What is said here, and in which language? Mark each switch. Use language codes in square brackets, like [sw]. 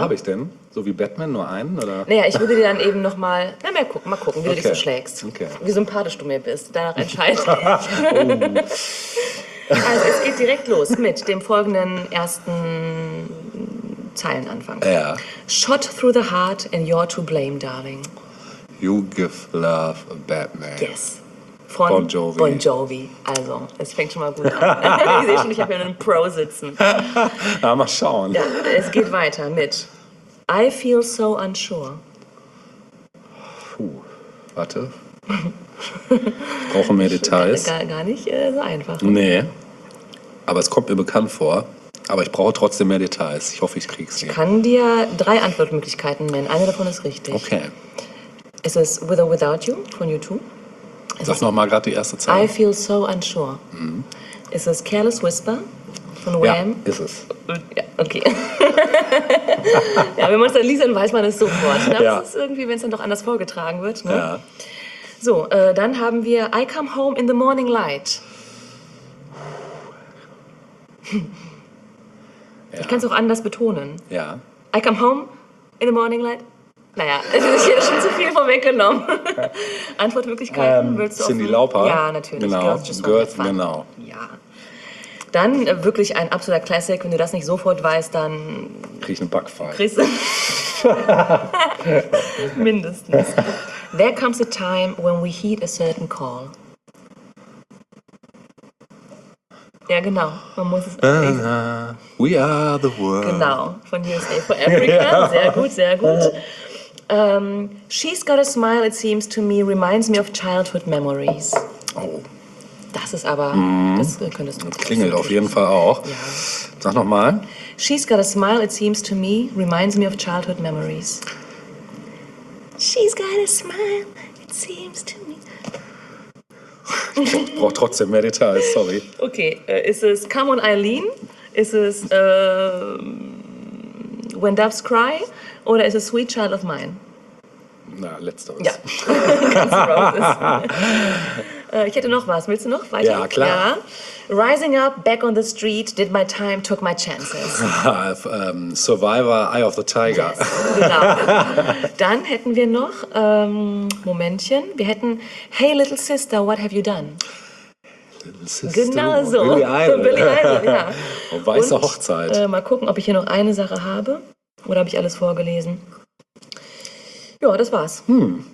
[de] habe ich denn? So wie Batman, nur einen? Oder? Naja, ich würde dir dann eben nochmal. Na, mal gucken, wie okay. du dich so schlägst. Okay. Wie sympathisch du mir bist. Danach entscheide ich. Also, es geht direkt los mit dem folgenden ersten Zeilenanfang: ja. [en] Shot through the heart and you're to blame, darling. You give love a Batman. Yes. [de] Von Bon Jovi. Bon Jovi. Also, es fängt schon mal gut an. Ich sehe schon, ich habe hier einen Pro sitzen. Na, mal schauen. Ja, es geht weiter mit [en] I feel so unsure. [de] Puh, warte. Ich brauche mehr Details. Gar nicht so einfach. Nee, aber es kommt mir bekannt vor. Aber ich brauche trotzdem mehr Details. Ich hoffe, ich kriege es hier. Ich kann dir drei Antwortmöglichkeiten nennen. Eine davon ist richtig. Okay. Ist es With or Without You von U2? Sag noch mal gerade die erste Zeile. [en] I feel so unsure. Mhm. [de] Ist es Careless Whisper von Wham? Ja, ist es. Ja, okay. Ja, wenn man es dann liest, dann weiß man es sofort. Ja. Das ist irgendwie, wenn es dann doch anders vorgetragen wird. Ne? Ja. So, dann haben wir [en] I come home in the morning light. [de] Ja. Ich kann es auch anders betonen. Ja. [en] I come home in the morning light. [de] Naja, es ist hier schon zu viel vorweggenommen. Antwortmöglichkeiten willst du auch. Cindy Lauper. Ja, natürlich. Genau. [en] Girls, just [de] genau. Ja. Dann wirklich ein absoluter Classic. Wenn du das nicht sofort weißt, dann. Krieg ich eine Backpfeife. Kriegst du. Mindestens. [en] There comes a time when we heed a certain call. [de] Ja, genau. Man muss es. [en] We are the world. [de] Genau. Von USA for Africa. [en] Yeah. [de] Sehr gut, sehr gut. [en] She's got a smile, it seems to me, reminds me of childhood memories. Oh. [de] Das ist aber, das könntest du nicht. Klingelt auf jeden Fall auch. Ja. Sag nochmal. [en] She's got a smile, it seems to me, reminds me of childhood memories. She's got a smile, it seems to me. [de] Ich brauch trotzdem mehr Details, sorry. Okay, ist es Come on, Eileen? Ist es, When Doves Cry? Oder ist es Sweet Child of Mine? Na, letzteres. Ja. Ich hätte noch was. Willst du noch weiter? Ja, klar. Ja. [en] Rising up, back on the street, did my time, took my chances. Survivor, Eye of the Tiger. [de] Yes, genau. Dann hätten wir noch, Momentchen. Wir hätten Hey Little Sister, What Have You Done? Genau so. Billy Idol. Billy Idol, ja. Und weiße Hochzeit. Mal gucken, ob ich hier noch eine Sache habe. Oder habe ich alles vorgelesen? Ja, das war's. Hm.